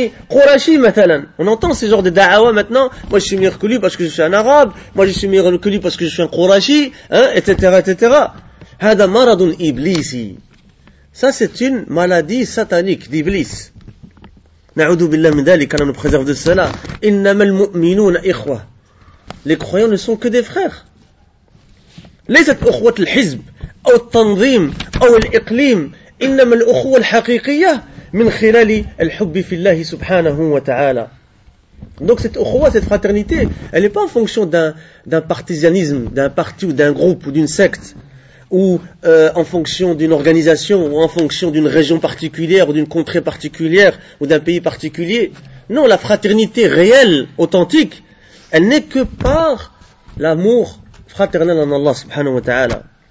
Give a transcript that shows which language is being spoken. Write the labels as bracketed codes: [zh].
[fr] On entend ce genre de da'awa maintenant. Moi, je suis meilleur que lui parce que je suis un arabe. Moi, je suis meilleur que lui parce que je suis un Qurashi, hein, etc., etc. [ar] Hada maradun iblisi. [fr] Ça, c'est une maladie satanique d'Iblis. [ar] نعوذ بالله من ذلك انا نبخزر دو السلام انما المؤمنون اخوه. [fr] Les croyants ne sont que des frères. [ar] ليست اخوه الحزب او التنظيم او الاقليم انما الاخوه الحقيقيه من خلال الحب في الله سبحانه وتعالى. [fr] Donc cette اخوه, cette fraternité, elle n'est pas en fonction d'un partisanisme, d'un parti ou d'un groupe ou d'une secte ou en fonction d'une organisation ou en fonction d'une région particulière ou d'une contrée particulière ou d'un pays particulier. Non, la fraternité réelle, authentique, elle n'est que par l'amour fraternel en Allah subhanahu wa ta'ala.